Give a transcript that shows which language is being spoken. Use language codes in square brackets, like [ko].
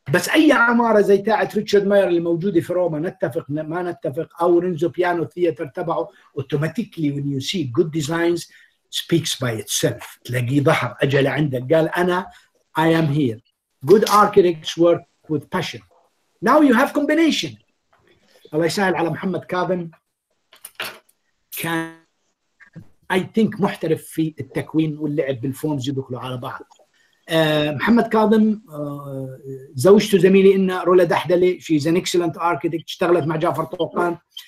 [ar] بس أي عمارة زي تاعة ريتشارد ماير اللي موجودة في روما, نتفق ما نتفق, أو رينزو بيانو ثياتر تبعه, [en] automatically when you see good designs speaks by itself, [ar] تلاقي ظهر أجل عندك قال أنا [en] I am here. Good architects work with passion. Now you have combination. [ar] الله يسهل على محمد كاظم, كان [en] I think [ar] محترف في التكوين واللعب بالفورمز يدخلوا على بعض. محمد كاظم زوجته زميلي إن رولا دحدلي, [en] she's an excellent architect, [ar] اشتغلت مع جعفر طوقان.